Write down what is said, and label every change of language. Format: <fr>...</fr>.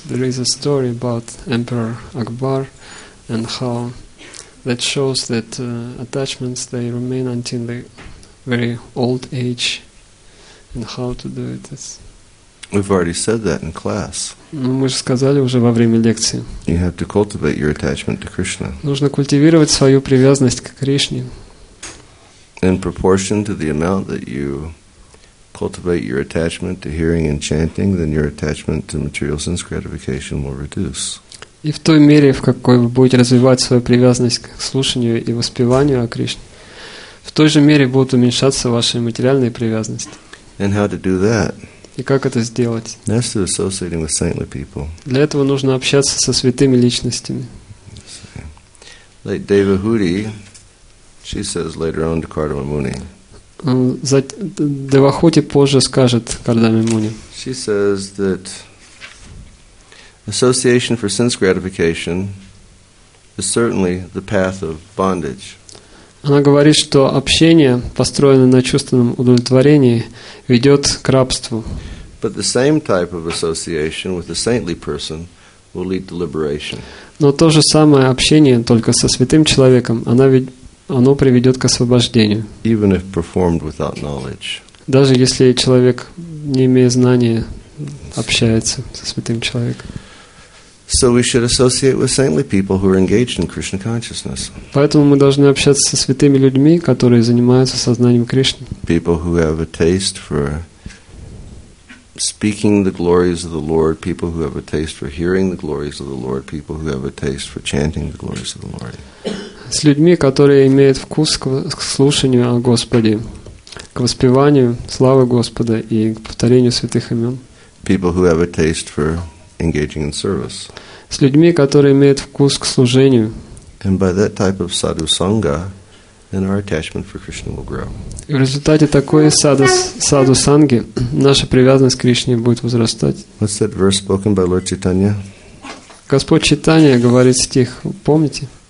<en>There is a story about Emperor Akbar and how that shows that attachments, they remain until the very old age, and how to do it. We've already said that in class.</en> <ru>Мы же сказали уже во время лекции.</ru> <en>You have to cultivate your attachment to Krishna.</en> <ru>Нужно культивировать свою привязанность к Кришне.</ru> <en>In proportion to the amount that you cultivate your attachment to hearing and chanting, then your attachment to material sense gratification will reduce.</en> <ru>И в той мере, в какой вы будете развивать свою привязанность к слушанию и воспеванию о Кришне, в той же мере будут уменьшаться ваши материальные привязанности.</ru> <en>And how to do that?</en> <ru>И как это сделать?</ru> <en>That's through associating with saintly people.</en> <ru>Для этого нужно общаться со святыми личностями.</ru> <en>Like Devahuti, she says later on to Kardama Muni.</en> <ru>Девахути позже скажет Кардаме Муни.</ru> <en>She says that association for sense gratification is certainly the path of bondage.</en> <ru>Она говорит, что общение, построенное на чувственном удовлетворении, ведет к рабству.</ru> <en>But the same type of association with a saintly person will lead to liberation.</en> <ru>Но то же самое общение, только со святым человеком, оно приведет к освобождению.</ru> <en>Even if performed without knowledge.</en> <ru>Даже если человек, не имея знания, общается со святым человеком.</ru> <en>So we should associate with saintly people who are engaged in Krishna consciousness.</en> <ru>Поэтому мы должны общаться со святыми людьми, которые занимаются сознанием Кришны.</ru> <en>People who have a taste for speaking the glories of the Lord, people who have a taste for hearing the glories of the Lord, people who have a taste for chanting the glories of the Lord.</en> <ru>С людьми, которые имеют вкус к слушанию о Господе, к воспеванию славы Господа и к повторению святых имен.</ru> <en>People who have a taste for engaging in service.</en> <ru>С людьми, которые имеют вкус к служению.</ru> <en>And by that type of sadhu sangha, then our attachment for Krishna will grow.</en> <ru>И в результате такой саду санги наша привязанность к Кришне будет возрастать.</ru> <en>What's that verse spoken by Lord Chaitanya?</en> <ru>Господь Чайтанья говорит стих, помните?</ru>